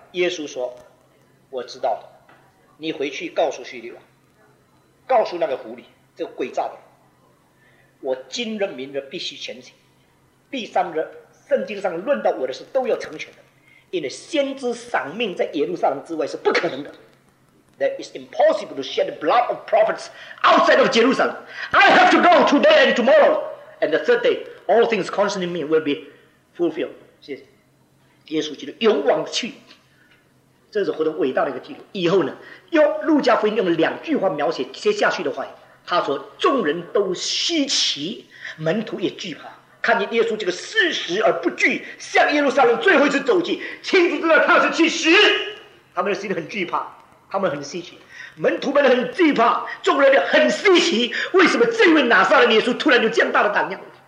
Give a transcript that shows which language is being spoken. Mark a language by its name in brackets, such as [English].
[Chinese] 耶稣说：我知道了，你回去告诉叙利王，告诉那个狐狸，这个诡诈的，我今日明日必须前行，第三日圣经上论到我的事都要成全的，因为先知赏命在耶路撒冷之外是不可能的。 [English] That is impossible to shed the blood of prophets outside of Jerusalem. I have to go today and tomorrow, and the third day, all things concerning me will be fulfilled. [Chinese] 谢谢。耶稣基督勇往去，这是活得伟大的一个记录。以后呢，用路加福音用两句话描写接下去的话，他说：众人都稀奇，门徒也惧怕，看见耶稣这个事实而不惧，向耶路撒冷最后一次走去，亲自知道他是去死，他们的心里很惧怕，他们很稀奇，门徒们很惧怕，众人很稀奇，为什么这位拿撒勒耶稣突然就这样大的胆量？